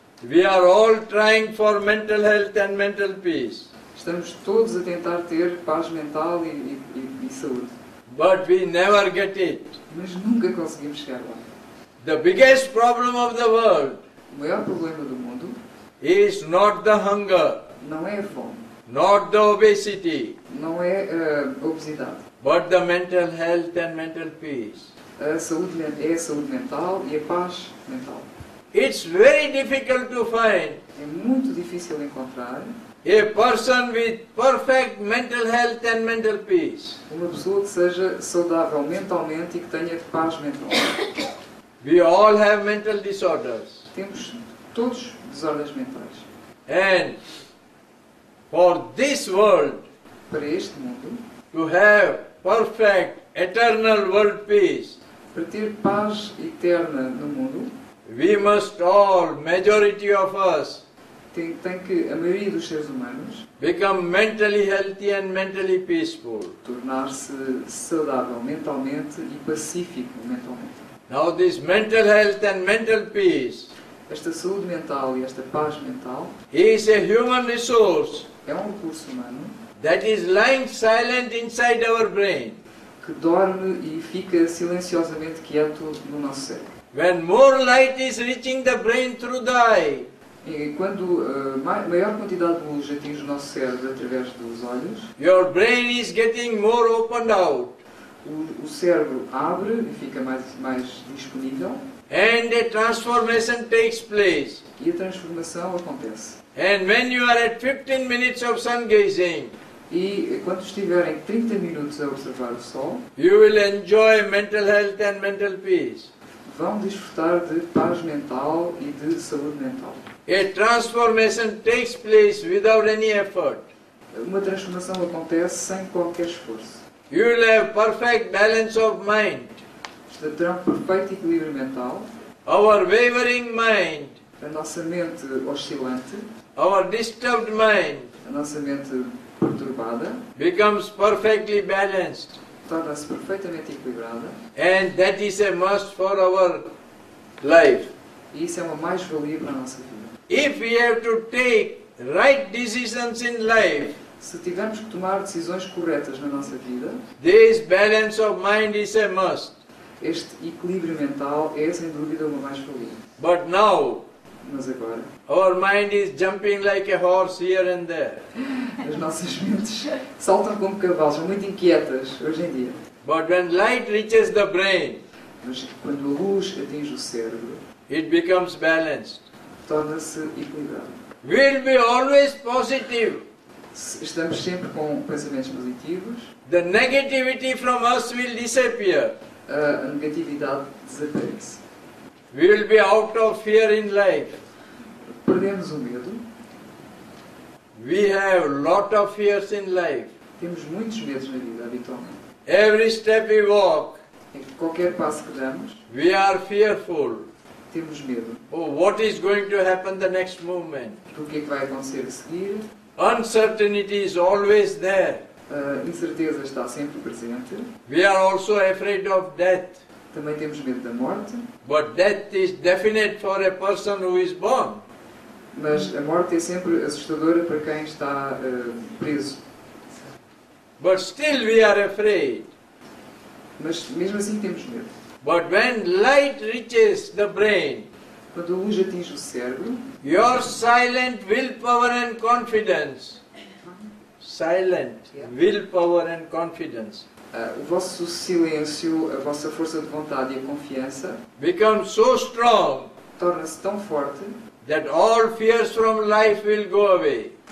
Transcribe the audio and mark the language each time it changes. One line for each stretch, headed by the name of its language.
English: We are all trying for mental health and mental peace.
Portuguese: Estamos todos a tentar ter paz mental e saúde.
English: But we never get it.
Portuguese: Mas nunca conseguimos chegar lá.
English: The biggest problem of the world.
Portuguese: O maior problema do mundo.
English: Is not the hunger.
Portuguese: Não é a fome.
English: Not the obesity.
Portuguese: Não é a obesidade.
English: But the mental health and mental peace.
Portuguese: A saúde é a saúde mental e a paz mental.
English: It's very difficult to find.
Portuguese: É muito difícil encontrar.
English: A person with perfect mental health and mental peace.
Portuguese: Uma pessoa que seja saudável mentalmente e que tenha paz mental.
English: We all have mental disorders.
Portuguese: Temos todos desordens mentais.
English: And for this world,
Portuguese: para este mundo,
English: to have perfect eternal world peace,
Portuguese: para ter paz eterna no mundo,
English: we must all, majority of us,
Portuguese: tem que a maioria dos seres humanos
English: become mentally healthy and mentally peaceful.
Portuguese: Tornar-se saudável mentalmente e pacífico mentalmente.
English: Now this mental health and mental peace,
Portuguese: esta saúde mental e esta paz mental,
English: is a human resource,
Portuguese: é um recurso humano,
English: that is lying silent inside our brain,
Portuguese: que dorme e fica silenciosamente quieto no nosso cérebro.
English: When more light is reaching the brain through the eye,
Portuguese: e quando maior quantidade de luz atinge o nosso cérebro através dos olhos,
English: your brain is getting more opened out.
Portuguese: O cérebro abre e fica mais disponível.
English: And a transformation takes place.
Portuguese: E a transformação acontece.
English: And when you are at 15 minutes of sun gazing,
Portuguese: e quando estiverem 30 minutos a observar o sol,
English: you will enjoy mental health and mental peace.
Portuguese: Vão desfrutar de paz mental e de saúde mental.
English: A transformation takes place without any effort.
Portuguese: Uma transformação acontece sem qualquer esforço.
English: You will have perfect balance of mind.
Portuguese: Terá um perfeito equilíbrio mental.
English: Our wavering mind.
Portuguese: A nossa mente oscilante.
English: Our disturbed mind.
Portuguese: A nossa mente perturbada.
English: Becomes perfectly balanced.
Portuguese: Torna-se perfeitamente equilibrada.
English: And that is a must for our life.
Portuguese: E isso é uma mais-valia para a nossa vida.
English: If we have to take right decisions in life,
Portuguese: se tivermos que tomar decisões corretas na nossa vida,
English: this balance of mind is a must.
Portuguese: Este equilíbrio mental é sem dúvida uma mais-valia.
English: But now,
Portuguese: mas agora,
English: our mind is jumping like a horse here and there.
Portuguese: As nossas mentes saltam como cavalos, são muito inquietas hoje em dia.
English: But when light reaches the brain,
Portuguese: mas quando a luz atinge o cérebro,
English: it becomes balanced.
Portuguese: Torna-se equilibrado.
English: We'll be always positive.
Portuguese: Estamos sempre com pensamentos positivos.
English: The negativity from us will disappear.
Portuguese: a negatividade desaparece.
English: We'll be out of fear in life.
Portuguese: Perdemos o medo.
English: We have lot of fears in life.
Portuguese: Temos muitos medos na vida, habitualmente.
English: Every step we walk,
Portuguese: em qualquer passo que damos,
English: we are fearful.
Portuguese: Temos medo.
English: Oh, what is going to happen the next moment?
Portuguese: O que é que vai acontecer a seguir?
English: Uncertainty is always there.
Portuguese: A incerteza está sempre presente.
English: We are also afraid of death.
Portuguese: Também temos medo da morte.
English: But death is definite for a person who is born.
Portuguese: Mas a morte é sempre assustadora para quem está preso.
English: But still we are afraid.
Portuguese: Mas mesmo assim temos medo.
English: But when light reaches the brain,
Portuguese: quando a luz atinge o cérebro,
English: your silent willpower and confidence, silent willpower and confidence,
Portuguese: o vosso silêncio, a vossa força de vontade e a confiança,
English: become so strong,
Portuguese: torna-se tão forte,
English: that all fears from life will go away,